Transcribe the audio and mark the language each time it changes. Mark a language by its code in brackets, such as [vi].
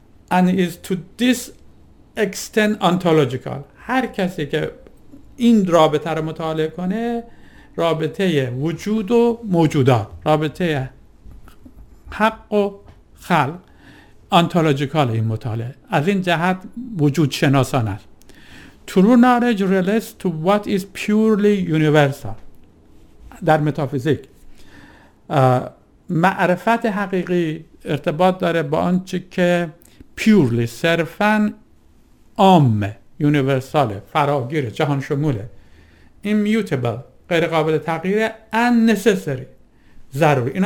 [en] And is to this extent ontological. [fa] هر کسی که این رابطه رو مطالعه کنه، رابطه وجود و موجودات، رابطه حق و خلق، انتولوژیکال این مطالعه، از این جهت وجود شناسان است. [en] True knowledge relates to what is purely universal. [fa] در متافیزیک معرفت حقیقی ارتباط داره با آنچه که purely، صرفا عام، universal، فراگیر، جهان شموله، immutable، غیر قابل تغییر، [en] and necessary، [fa] ضروری.